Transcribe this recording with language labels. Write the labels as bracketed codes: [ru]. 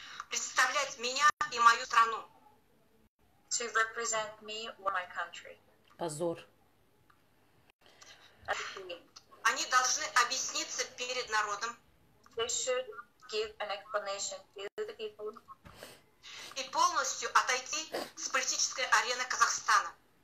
[ru] Представлять меня и мою страну. [en] To represent me or my country. [ru] Позор. Они должны объясниться перед народом. [en] They should give an explanation to the people. [ru] И полностью отойти с политической арены Казахстана.